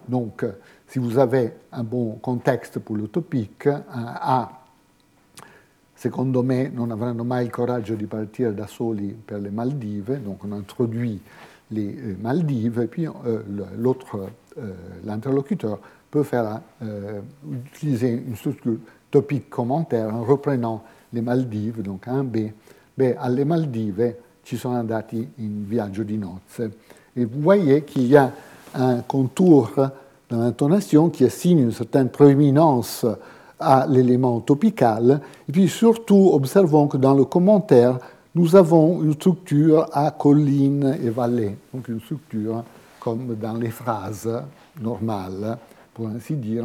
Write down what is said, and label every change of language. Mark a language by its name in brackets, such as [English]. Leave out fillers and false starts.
[French] Donc, si vous avez un bon contexte pour le topic, un A, [Italian] secondo me, non avranno mai il coraggio di partire da soli per le Maldive, [French] donc on introduit les Maldives, et puis l'autre, l'interlocuteur, peut faire utiliser une structure topic commentaire en reprenant les Maldives, donc un B. [Italian] Beh, alle Maldive ci sono andati in viaggio di nozze. [French] Et vous voyez qu'il y a un contour dans l'intonation qui assigne une certaine prééminence à l'élément topical. Et puis surtout, observons que dans le commentaire, nous avons une structure à colline et vallée, donc une structure comme dans les phrases normales, pour ainsi dire.